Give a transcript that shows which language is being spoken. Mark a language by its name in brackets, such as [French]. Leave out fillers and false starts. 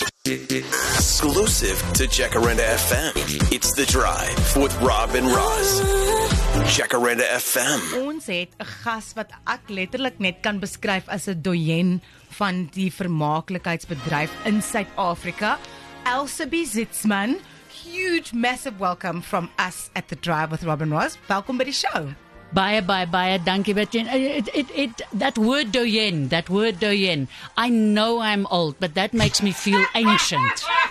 [English] Exclusive to Jacaranda FM, it's The Drive with Rob and Roz. Jacaranda FM. [Afrikaans] Ons het 'n gas wat ek letterlik net kan beskryf as 'n doyen van die vermaaklikheidsbedryf in Suid-Afrika. [English] Elsa B. Zitzman, huge, massive welcome from us at The Drive with Rob and Roz. Welcome by the show. Bye. Thank you, Betjen. That word doyen. I know I'm old, but that makes me feel ancient.